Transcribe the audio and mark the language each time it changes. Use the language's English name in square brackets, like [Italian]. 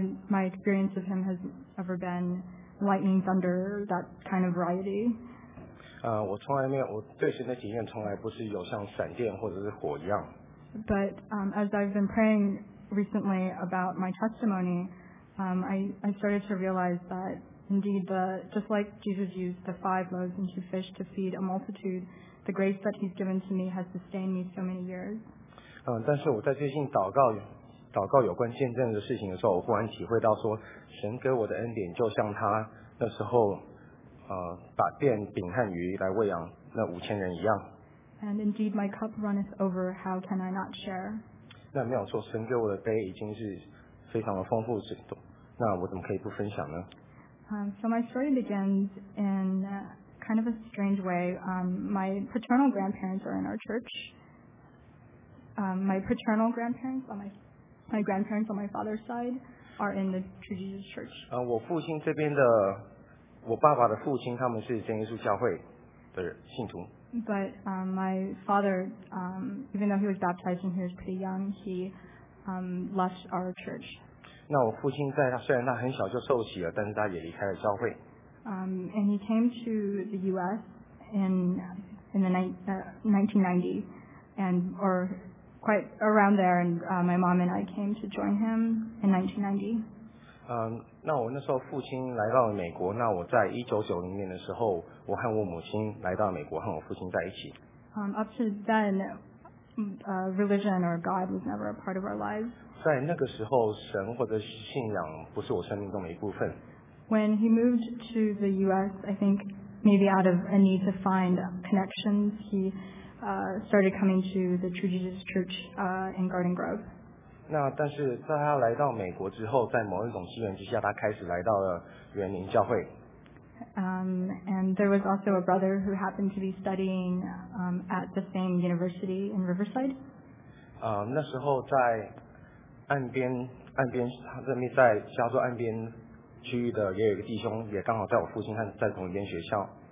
[English] My experience of him has ever been lightning, thunder, that kind of variety. [Chinese] 我从来没有，我对神的体验从来不是有像闪电或者是火一样。 [English] But as I've been praying recently about my testimony, I started to realize that indeed, just like Jesus used the 5 loaves and 2 fish to feed a multitude, the grace that he's given to me has sustained me so many years. [Chinese] 但是我在最近祷告有关见证的事情的时候，我忽然体会到说，神给我的恩典就像他那时候把电饼和鱼来喂养那5000人一样。 [English] And indeed, my cup runneth over. How can I not share? [Chinese] 那没有错，神给我的杯已经是非常的丰富，那我怎么可以不分享呢？ [English] So my story begins in kind of a strange way. My paternal grandparents are in our church. My paternal grandparents on my grandparents on my father's side are in the True Jesus Church. [Chinese] 我父亲这边的，我爸爸的父亲，他们是真耶稣教会的信徒。 [English] But my father, even though he was baptized when he was pretty young, he left our church. [Chinese] 那我父亲在他虽然他很小就受洗了，但是他也离开了教会。 [English] And he came to the U.S. in the 1990, and or quite around there. And my mom and I came to join him in 1990. [Chinese] 那我那时候父亲来到了美国，那我在1990年的时候，我和我母亲来到美国，和我父亲在一起。 [English] Up to then, religion or God was never a part of our lives. [Chinese] 在那个时候，神或者信仰不是我生命中的一部分。 [English] When he moved to the U.S., I think maybe out of a need to find connections, he started coming to the True Jesus Church in Garden Grove. [Chinese] 那但是在他来到美国之后，在某一种机缘之下，他开始来到了园林教会。 [English] And there was also a brother who happened to be studying at the same university in Riverside. [Chinese] 那时候在岸边，他这边在加州岸边区域的也有一个弟兄，也刚好在我父亲和在同一间学校。